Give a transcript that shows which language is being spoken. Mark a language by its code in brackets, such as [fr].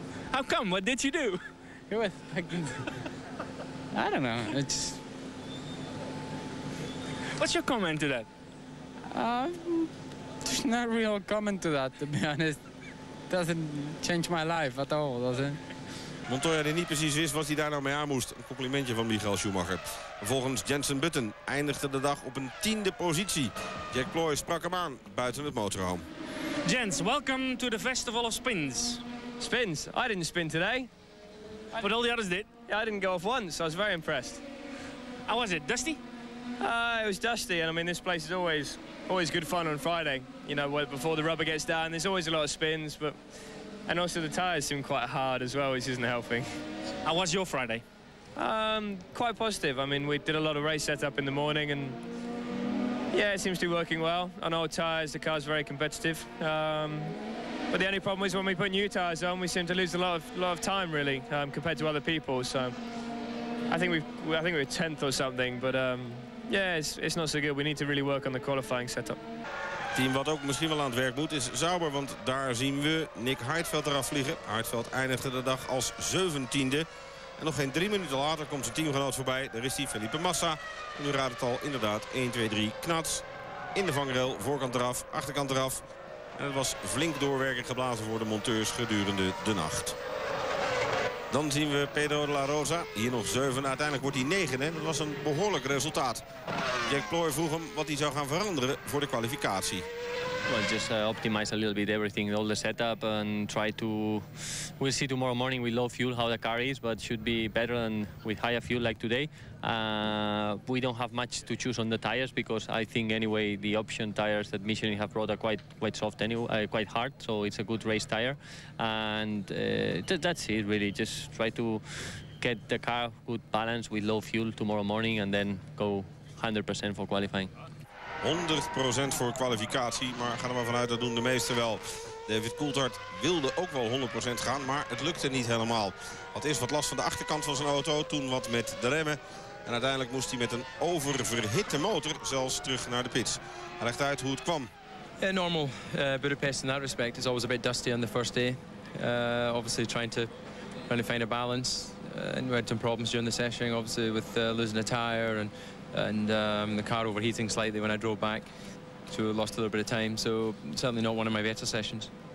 [en] How come? What did you do? It was fucking... I don't know, it's... What's your comment to that? There's no real comment to that, to be honest. Doesn't change my life at all, does it? [nl] Montoya die niet precies wist wat hij daar nou mee aan moest. Een complimentje van Michael Schumacher. Volgens Jenson Button eindigde de dag op een 10e positie. Jack Ploy sprak hem aan buiten het motorhome. [en] Jens, welcome to the Festival of Spins. Spins? I didn't spin today. But all the others did. Yeah, I didn't go off once, so I was very impressed. How was it? Dusty? It was dusty, and I mean, this place is always good fun on Friday. You know, before the rubber gets down, there's always a lot of spins, but... And also the tires seem quite hard as well, which isn't helping. How was your Friday? Quite positive. I mean, we did a lot of race setup in the morning and yeah, it seems to be working well. On old tires, the car's very competitive. But the only problem is when we put new tires on, we seem to lose a lot of time really, compared to other people. So I think we're 10th or something, but yeah, it's not so good. We need to really work on the qualifying setup. [nl] Het team wat ook misschien wel aan het werk moet is Sauber, want daar zien we Nick Heidfeld eraf vliegen. Heidfeld eindigde de dag als 17e. En nog geen 3 minuten later komt zijn teamgenoot voorbij. Daar is hij, Felipe Massa. En u raadt het al, inderdaad, 1, 2, 3, knats. In de vangrail, voorkant eraf, achterkant eraf. En het was flink doorwerken geblazen voor de monteurs gedurende de nacht. Dan zien we Pedro de la Rosa, hier nog 7, uiteindelijk wordt hij 9. Dat was een behoorlijk resultaat. Jack Ploy vroeg hem wat hij zou gaan veranderen voor de kwalificatie. [en] Well, just optimize a little bit everything, all the setup and try to... We'll see tomorrow morning with low fuel how the car is, but should be better than with higher fuel like today. We don't have much to choose on the tires because I think anyway the option tires that Michelin have brought are quite soft anyway, quite hard, so it's a good race tire. And that's it really, just try to get the car good balance with low fuel tomorrow morning and then go 100% for qualifying. [nl] 100% voor kwalificatie, maar ga er maar vanuit, dat doen de meesten wel. David Coulthard wilde ook wel 100% gaan, maar het lukte niet helemaal. Had eerst wat last van de achterkant van zijn auto, toen wat met de remmen. En uiteindelijk moest hij met een oververhitte motor zelfs terug naar de pits. Hij legt uit hoe het kwam. [en] Yeah, normal Budapest in that respect. It's always a bit dusty on the first day. Obviously trying to really find a balance. And we had some problems during the session, obviously with losing a tire and... And the car overheating slightly when I drove back, so we lost a little bit of time. So certainly not one of my better sessions.